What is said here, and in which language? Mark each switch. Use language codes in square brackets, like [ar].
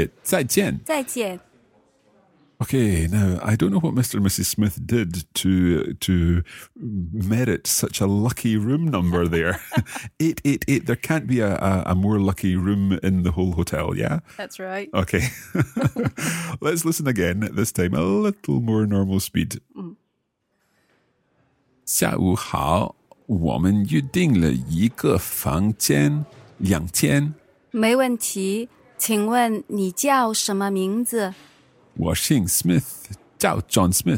[zh] 这是你们的房卡，电梯在右边。谢谢，再见。再见。Okay, [en] now I don't know what Mr. and Mrs. Smith did to merit such a lucky room number there. 888, there can't be a more lucky room in the whole hotel, yeah? That's right. Okay, let's listen again, this time a little more normal speed. [zh] 下午好。我们预定了一个房间，两天。没问题，请问你叫什么名字？我姓Smith，叫John